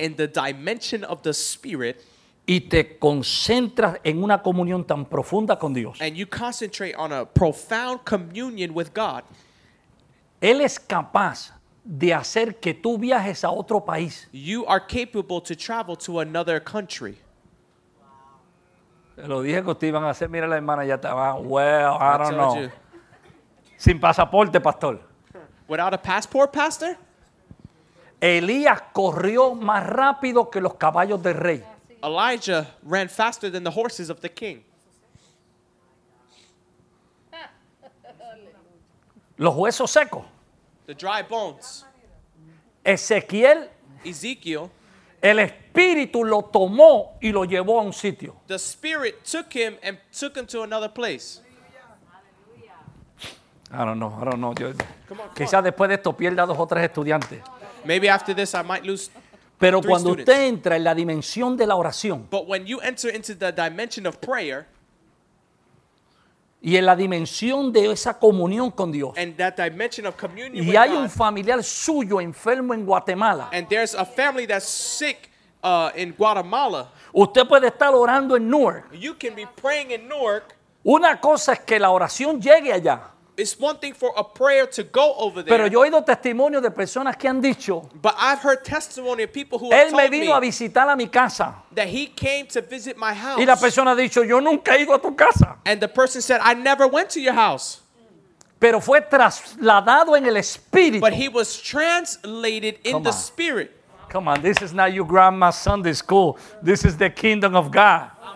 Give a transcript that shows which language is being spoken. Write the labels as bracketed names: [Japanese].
[English] in the dimension of the spirit, [Spanish] y te concentras en una comunión tan profunda con Dios, [English] and you concentrate on a profound communion with God, [Spanish] Él es capaz de hacer que tú viajes a otro país. [English] You are capable to travel to another country. [Spanish] Te lo dije que ustedes iban a hacer. Mira, la hermana ya estaba. [English] Well, I don't know. [Spanish] Sin pasaporte, pastor. [English] Without a passport, pastor? [Spanish] Elías corrió más rápido que los caballos del rey. [English] Elijah ran faster than the horses of the king. [Spanish] Los huesos secos. [English] The dry bones. [Spanish] Ezequiel. [English] Ezekiel. [Spanish] El espíritu lo tomó y lo llevó a un sitio. [English] The spirit took him and took him to another place. I don't know. [Spanish] Quizás después de esto pierda dos o tres estudiantes. [English] Maybe after this I might lose. [Spanish] Pero cuando usted entra en la dimensión de la oración, [English] but when you enter into the dimension of prayer, [Spanish] y en la dimensión de esa comunión con Dios, [English] and that dimension of communion, [Spanish] y hay [English] God, [Spanish] un familiar suyo enfermo en Guatemala, [English] and there's a family that's sick in Guatemala, [Spanish] usted puede estar orando en Newark. [English] You can be praying in Newark. [Spanish] Una cosa es que la oración llegue allá. [English] It's one thing for a prayer to go over there. [Spanish] Pero yo he oído testimonio de personas que han dicho, [English] but I've heard testimony of people who have told me. [Spanish] Él me vino a visitar a mi casa. [English] That he came to visit my house. [Spanish] Y la persona ha dicho, yo nunca he ido a tu casa. [English] And the person said, I never went to your house. [Spanish] Pero fue trasladado en el espíritu. [English] But he was translated in the spirit. Come on, this is not your grandma's Sunday school. This is the kingdom of God.